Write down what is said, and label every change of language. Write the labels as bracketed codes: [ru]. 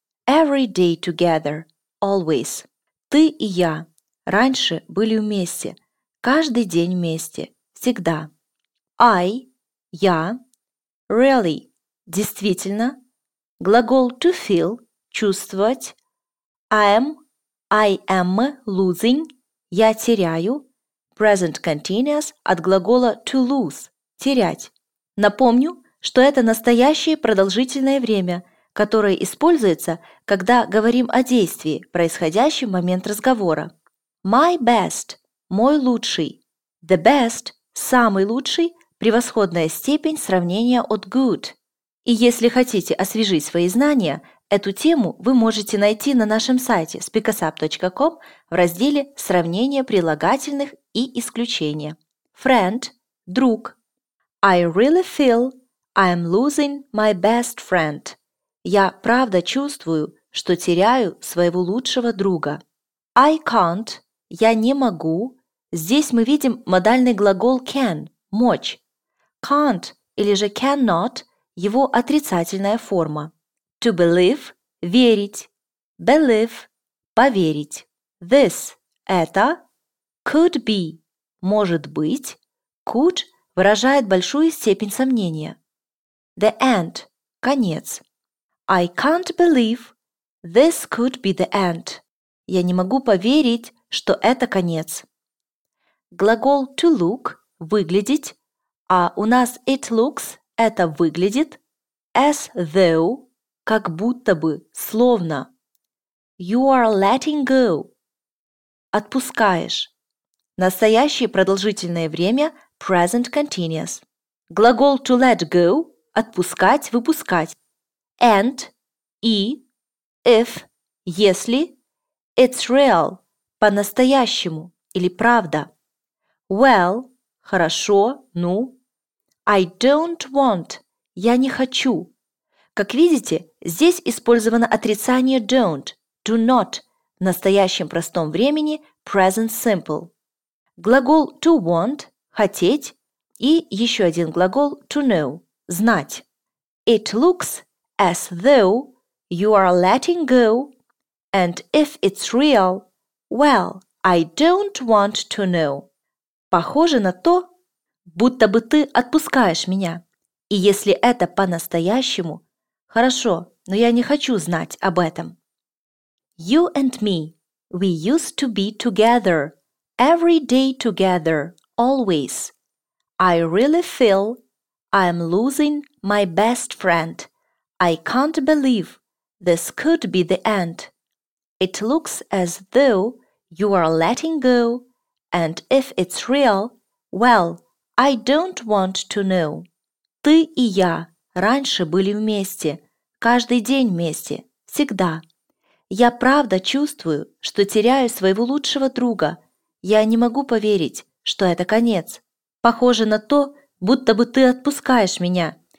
[en] Every day together. Always. [ru] Ты и я. Раньше были вместе. Каждый день вместе. Всегда. [en] I – я. Really [ru] – действительно. Глагол [en] to feel [ru] – чувствовать. [en] I am losing – [ru] я теряю. [en] Present continuous от глагола to lose – терять. [ru] Напомню, что это настоящее продолжительное время, которое используется, когда говорим о действии, происходящем в момент разговора. [en] My best [ru] – мой лучший. [en] The best [ru] – самый лучший, превосходная степень сравнения от good. И если хотите освежить свои знания, эту тему вы можете найти на нашем сайте speakersup.com в разделе «Сравнение прилагательных и исключения». [en] Friend – друг. I really feel I am losing my best friend. [ru] Я правда чувствую, что теряю своего лучшего друга. [en] I can't [ru] – я не могу. Здесь мы видим модальный глагол can – мочь. Can't или же cannot – его отрицательная форма. [en] To believe – верить. Believe – поверить. This – это. Could be [ru] – может быть. Could выражает большую степень сомнения. [en] The end – [ru] конец. [en] I can't believe this could be the end. [ru] Я не могу поверить, что это конец. Глагол to look – выглядеть, а у нас [en] it looks [ru] – это выглядит. [en] As though [ru] – как будто бы, словно. [en] You are letting go – [ru] отпускаешь. Настоящее продолжительное время – present continuous. Глагол to let go – отпускать, выпускать. [en] And [ru] – и, if – если, [en] it's real [ru] – по-настоящему или правда. Well – хорошо, ну. [en] I don't want [ru] – я не хочу. Как видите, здесь использовано отрицание don't – do not в настоящем простом времени present simple. Глагол to want – хотеть и еще один глагол to know – знать. [en] It looks as though you are letting go, and if it's real, well, I don't want to know. [ru] Похоже на то, будто бы ты отпускаешь меня. И если это по-настоящему, хорошо, но я не хочу знать об этом. [en] You and me, we used to be together, every day together, always. I really feel I am losing my best friend. I can't believe this could be the end. It looks as though you are letting go, and if it's real, well, I don't want to know. [ru] Ты и я раньше были вместе, каждый день вместе, всегда. Я правда чувствую, что теряю своего лучшего друга. Я не могу поверить, что это конец. Похоже на то, будто бы ты отпускаешь меня.